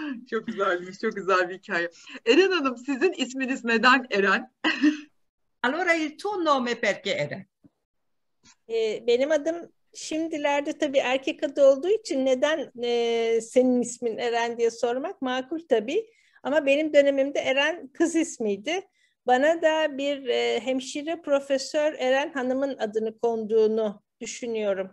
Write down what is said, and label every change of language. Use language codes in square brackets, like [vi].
[tr] Çok güzelmiş, çok güzel bir hikaye. Eren Hanım, sizin isminiz neden Eren? [it] Allora, il tuo nome perché Eren? [tr] Benim adım şimdilerde tabii erkek adı olduğu için neden senin ismin Eren diye sormak makul tabii. Ama benim dönemimde Eren kız ismiydi. Bana da bir hemşire profesör Eren Hanım'ın adını konduğunu düşünüyorum.